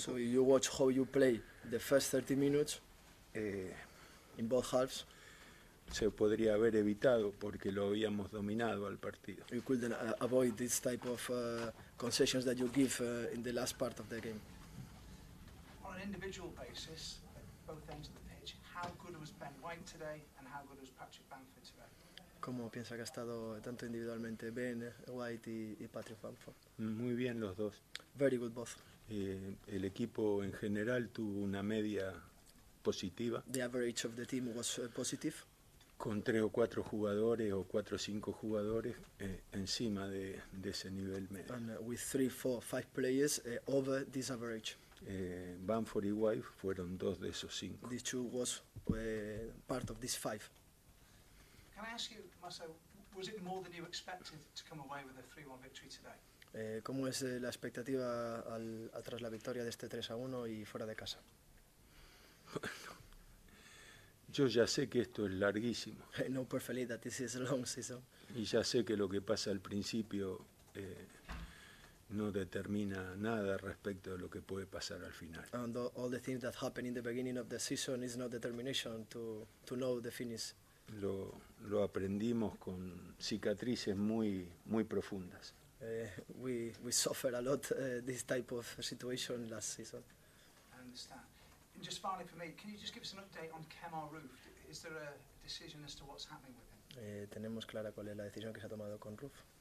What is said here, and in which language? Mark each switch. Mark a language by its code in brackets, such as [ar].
[en] So you watch how you play the first 30 minutes in both halves. [es] Se podría haber evitado porque lo habíamos dominado al partido. [en] You could avoid this type of concessions that you give in the last part of the game. On an individual basis, at both ends of the pitch, how good was Ben White today and how good was Patrick Bamford today? [es] ¿Cómo piensa que ha estado tanto individualmente Ben White y Patrick Bamford? Muy bien los dos. [en] Very good both. [es] El equipo en general tuvo una media positiva. [en] The average of the team was positive. [es] Con tres o cuatro jugadores o cuatro o cinco jugadores encima de ese nivel medio. [en] And with three, four, five players over this average. [es] Bamford y White fueron dos de esos cinco. [en] These two was part of these five. Can I ask you, Marcel, was it more than you expected to come away with a 3-1 victory today? [es] ¿Cómo es la expectativa tras la victoria de este 3-1 y fuera de casa? Yo ya sé que esto es larguísimo. [en] I know perfectly that this is a long season. [es] Y ya sé que lo que pasa al principio no determina nada respecto de lo que puede pasar al final. [en] And all the things that happen in the beginning of the season is no determination to know the finish. [es] Lo aprendimos con cicatrices muy profundas. [en] We suffer a lot this type of situation last season. I understand. And just finally for me, can you just give us an update on Kemar Roof? Is there a decision as to what's happening with him? [es] Tenemos clara cuál es la decisión que se ha tomado con Roof.